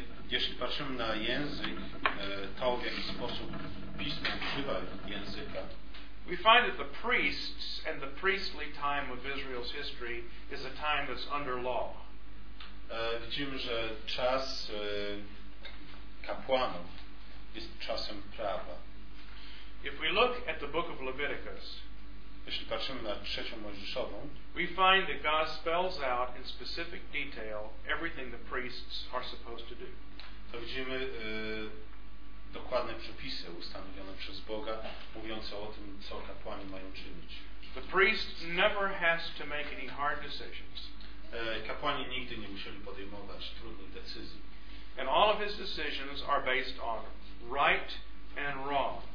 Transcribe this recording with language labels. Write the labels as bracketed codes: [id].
[pl] jeśli patrzymy na język, to w jaki sposób Pismo używa języka, [en] we find that the priests and the priestly time of Israel's history is a time that's under law. [pl] Widzimy, że czas kapłanów jest czasem prawa. [en] If we look at the book of Leviticus, [pl] jeśli patrzymy na trzecią Mojżeszową, [en] we find that God spells out in specific detail everything the priests are supposed to do. [pl] To widzimy dokładne przepisy ustanowione przez Boga, mówiące o tym, co kapłani mają czynić. [en] The priest never has to make any hard decisions. [pl] Kapłani nigdy nie musieli podejmować trudnych decyzji. [en] And all of his decisions are based on right and wrong.